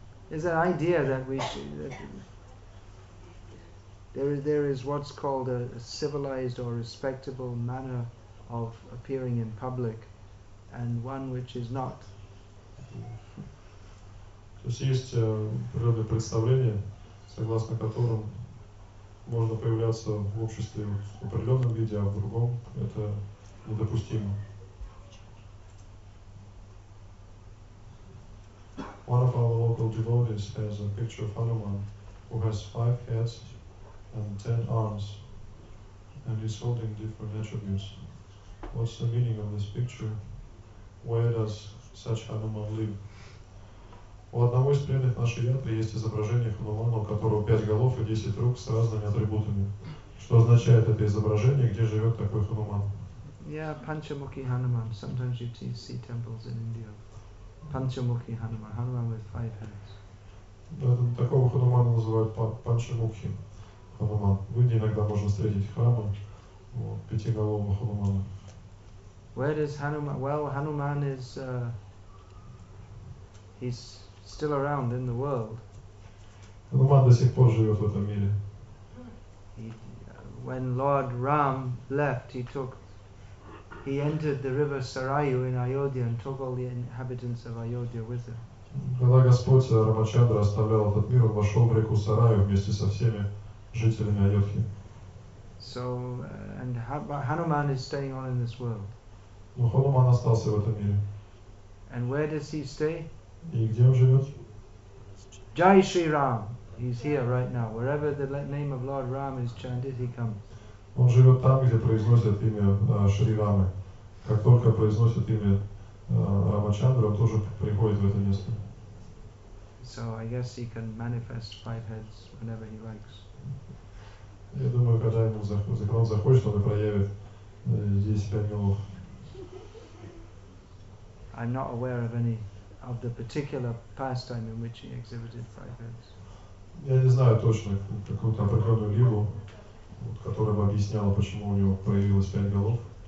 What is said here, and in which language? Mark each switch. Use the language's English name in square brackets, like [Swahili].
[English] There's an idea that we should, that there is what's called a civilized or respectable manner of appearing in public, and one which is not. [Russian] То есть есть природное представление, согласно которому можно появляться в обществе в определенном виде, а в другом это недопустимо. [English] One of our local devotees has a picture of Hanuman, who has 5 heads and 10 arms, and is holding different attributes. What's the meaning of this picture? Where does such Hanuman live? [Russian] У одного из преданных нашей ятры есть изображение Хануману, у которого 5 голов и 10 рук с разными атрибутами. Что означает это изображение, где живет такой Хануман? [English] Yeah, Panchamukhi Hanuman. Sometimes you see temples in India. Panchamukhi Hanuman, Hanuman with 5 heads. [Russian] Такого ханумана называют панчамукхи хануман. В Индии иногда можно встретить храмы пятиголового ханумана. [English] Where is Hanuman? Well, Hanuman is he's still around in the world. [Russian] Hanuman до сих пор живет в этом мире. [English] When Lord Ram left, he entered the river Sarayu in Ayodhya and took all the inhabitants of Ayodhya with him. [Russian] Когда Господь Рамачандра оставлял этот мир, он вошел в реку Сараю вместе со всеми жителями Айодхи. [English] So, and Hanuman is staying on in this world. [Russian] Но Хануман остался в этом мире. [English] And where does he stay? [Russian] И где он живет? [English] Jai Shri Ram. He's here right now. Wherever the name of Lord Ram is chanted, he comes. [Russian] Он живет там, где произносят имя Шри Рамы. Как только произносят имя Рамачандра, тоже приходит в это место. [English] So I guess he can manifest five heads whenever he likes. [Russian] Я думаю, когда ему закон захочет, он и проявит здесь 5 голов. [English] I'm not aware of any of the particular pastime in which he exhibited five heads. [Russian] Я не знаю точно какую-то определенную лилу, которая бы объясняла, почему у него появилось 5 голов.